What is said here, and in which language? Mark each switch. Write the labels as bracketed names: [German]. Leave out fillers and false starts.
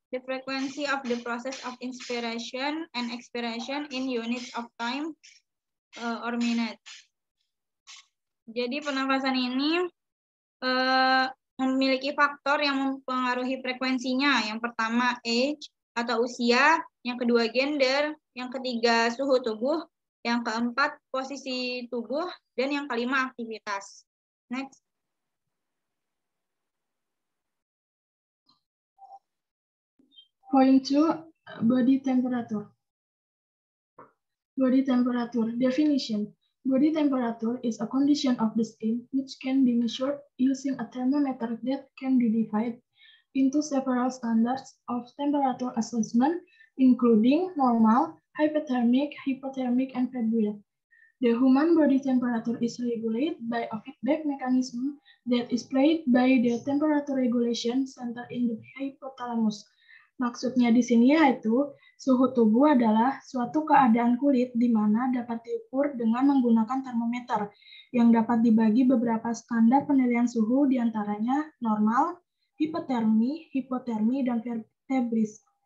[English] The frequency of the process of inspiration and expiration in units of time or minutes. [Indonesian] Jadi pernafasan ini memiliki faktor yang mempengaruhi frekuensinya. Yang pertama age atau usia, yang kedua gender, yang ketiga suhu tubuh, yang keempat posisi tubuh, dan yang kelima aktivitas. Next. [English] Point two, body temperature. Body temperature definition. Body temperature is a condition of the skin which can be measured using a thermometer that can be divided into several standards of temperature assessment, including normal, hypothermic, hypothermic, and febrile. The human body temperature is regulated by a feedback mechanism that is played by the temperature regulation center in the hypothalamus. [Indonesian] Maksudnya di sini yaitu suhu tubuh adalah suatu keadaan kulit di mana dapat diukur dengan menggunakan termometer yang dapat dibagi beberapa standar penilaian suhu diantaranya normal, hipotermi, hipotermi, dan febris.